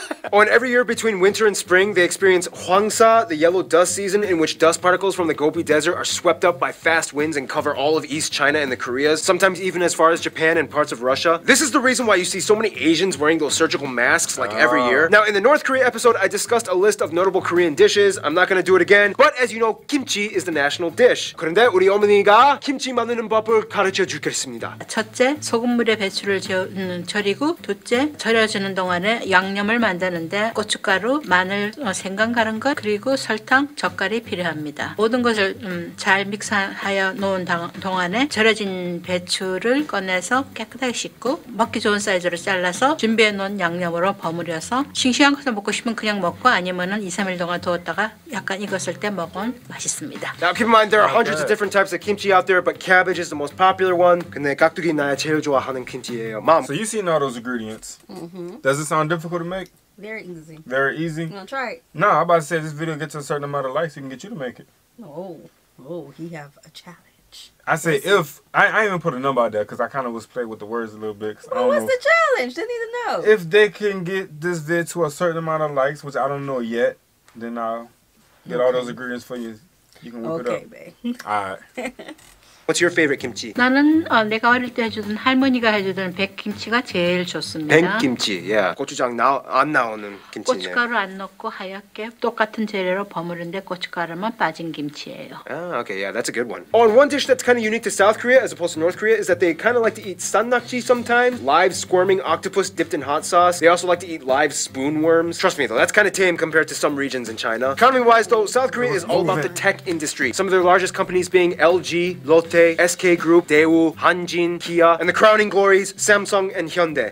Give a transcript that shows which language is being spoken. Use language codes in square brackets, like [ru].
[en] Oh, and every year between winter and spring, they experience Hwangsa, the yellow dust season, in which dust particles from the Gobi Desert are swept up by fast winds and cover all of East China and the Koreas, sometimes even as far as Japan and parts of Russia. This is the reason why you see so many Asians wearing those surgical masks, like, every year. Now, in the North Korea episode, I discussed a list of notable Korean dishes. I'm not gonna do it again, but as you know, kimchi is the national dish. [ko] 그런데 우리 어머니가 김치 만드는 법을 가르쳐 주겠습니다. 첫째, 소금물에 배추를 절이고, 둘째, 절여주는 동안에 양념을 만드는 고춧가루, 마늘, 생강 갈은 것, 그리고 설탕, 젓갈이 필요합니다. 모든 것을 잘 믹스하여 놓은 동안에 절여진 배추를 꺼내서 깨끗하게 씻고 먹기 좋은 사이즈로 잘라서 준비해 놓은 양념으로 버무려서 싱싱한 것을 먹고 싶으면 그냥 먹고 아니면은 2, 3일 동안 두었다가 약간 익었을 때 먹으면 맛있습니다. [en] Now keep in mind there are hundreds of different types of kimchi out there, but cabbage is the most popular one. [ko] 근데 깍두기 나야 제일 좋아하는 김치예요. [en] Mom. So you seen all those ingredients. Does it sound difficult to make? Very easy. Very easy? You wanna try it? No, I'm about to say this video gets a certain amount of likes, we can get you to make it. Oh, he have a challenge. I say if, I even put a number out there because I kind of was playing with the words a little bit. Well, what's the challenge? They need to know. If they can get this vid to a certain amount of likes, which I don't know yet, then I'll get all those ingredients for you. You can whip it up. Okay, babe. All right. What's your favorite kimchi? [ko] 나는 내가 어릴 때 해주던 할머니가 해주던 백김치가 제일 좋습니다. [en] 백김치, yeah. [ko] 고추장 안 나오는 김치네요. 고춧가루 안 넣고 하얗게 똑같은 재료로 버무린데 고춧가루만 빠진 김치예요. [en] Ah, okay, yeah, that's a good one. Oh, and one dish that's kind of unique to South Korea as opposed to North Korea is that they kind of like to eat sannakji sometimes, live squirming octopus dipped in hot sauce. They also like to eat live spoon worms. Trust me though, that's kind of tame compared to some regions in China. Economy-wise though, South Korea is all about the tech industry. Some of their largest companies being LG, Lotte, SK Group, Daewoo, Hanjin, Kia, and the crowning glories, Samsung and Hyundai.